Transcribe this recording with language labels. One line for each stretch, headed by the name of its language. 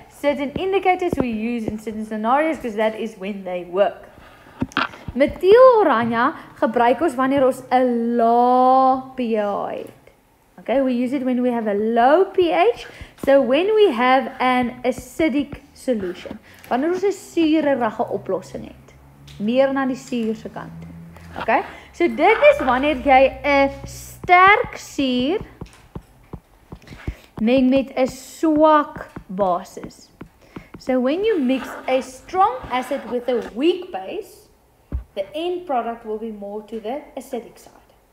English: Certain indicators we use in certain scenarios because that is when they work.
Afrikaans: Methyl oranje gebruik ons wanneer ons 'n lae pH het.
English: Okay, we use it when we have a low pH. So when we have an acidic solution.
Afrikaans: Wanneer ons 'n suurerige oplossing het. Meer na die suurse kant. Okay, so dit is wanneer jy 'n sterk suur meng met 'n swak basis.
English: So when you mix a strong acid with a weak base, the end product will be more to the acidic side.